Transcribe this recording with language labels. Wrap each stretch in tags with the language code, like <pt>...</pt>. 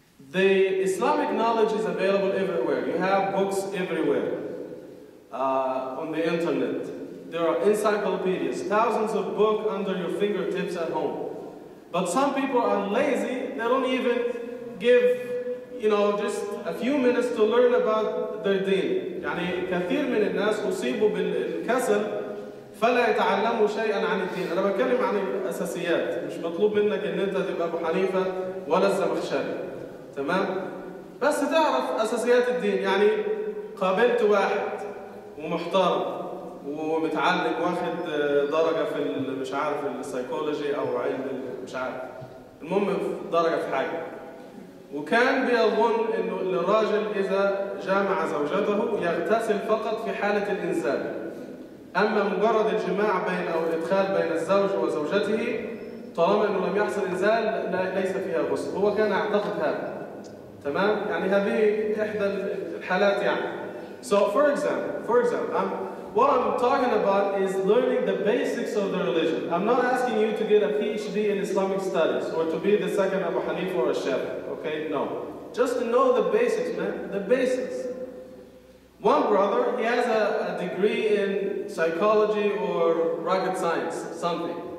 <en>The Islamic knowledge is available everywhere. You have books everywhere on the internet. There are encyclopedias, thousands of books under your fingertips at home. But some people are lazy. They don't even give, you know, just a few minutes to learn about their deen.</en> <ar>يعني كثير من الناس أصيبوا بالكسل فلا يتعلموا شيئاً عن الدين. أنا بتكلم عن الأساسيات. مش مطلوب منك إن أنت تبقى أبو حنيفة ولا الزمخشري. تمام؟ بس تعرف أساسيات الدين. يعني قابلت واحد ومحترم ومتعلم واخد درجة في مش عارف السايكولوجي أو علم مش عارف. المهم درجة في حاجة. وكان بيظن إنه الراجل إذا جامع زوجته يغتسل فقط في حالة الإنزال. أما مجرد الجماع بين أو الإدخال بين الزوج وزوجته طالما إنه لم يحصل إنزال لا ليس فيها غسل. هو كان أعتقد هذا. تمام؟ يعني هذه إحدى الحالات يعني.</ar> <en>So for example, what I'm talking about is learning the basics of the religion. I'm not asking you to get a PhD in Islamic studies or to be the second Abu Hanifa or a Shafi. Okay? No. Just to know the basics, man. The basics. One brother, he has a degree in psychology or rocket science, something.</en>